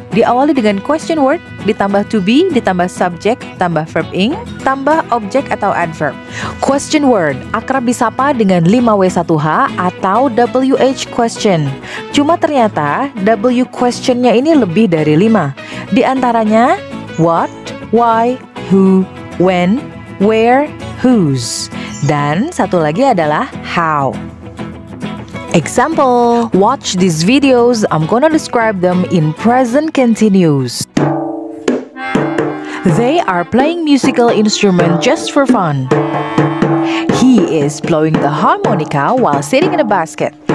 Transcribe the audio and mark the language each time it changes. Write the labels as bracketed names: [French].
[Indonesian] Diawali dengan question word, ditambah to be, ditambah subject, tambah verb ing, tambah objek atau adverb. Question word, akrab disapa dengan 5W1H atau WH question. Cuma ternyata W questionnya ini lebih dari 5. Di antaranya, what, why, who, when, where, whose. Dan satu lagi adalah how. [English] Example, watch these videos, I'm gonna describe them in present continuous. They are playing musical instrument just for fun. He is blowing the harmonica while sitting in a basket.